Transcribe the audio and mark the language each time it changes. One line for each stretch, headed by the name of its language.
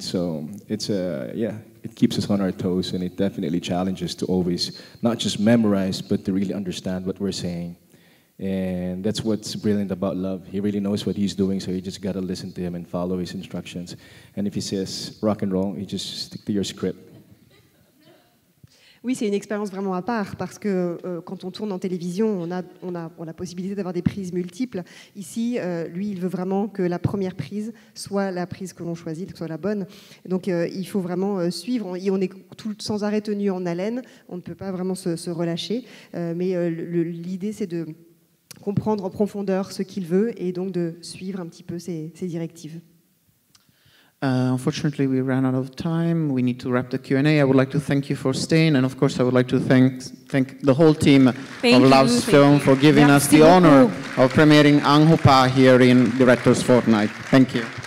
English: So it's a yeah, it keeps us on our toes, and it definitely challenges to always not just memorize, but to really understand what we're saying. And that's what's brilliant about love. He really knows what he's doing, so you just gotta listen to him and follow his instructions. And if he says rock and roll, you just stick to your script.
French: Oui, c'est une expérience vraiment à part, parce que quand on tourne en télévision, on a la possibilité d'avoir des prises multiples. Ici, lui, il veut vraiment que la première prise soit la prise que l'on choisit, que soit la bonne. Donc il faut vraiment suivre. On est tout sans arrêt tenu en haleine. On ne peut pas vraiment se relâcher. Mais l'idée, c'est de comprendre en profondeur ce qu'il veut et donc de suivre un petit peu ses directives.
English: Unfortunately, we ran out of time. We need to wrap the Q&A. I would like to thank you for staying, and of course, I would like to thank the whole team thank of Loves you, Film for giving us the honor of premiering Ang HUPA here in Director's Fortnight. Thank you.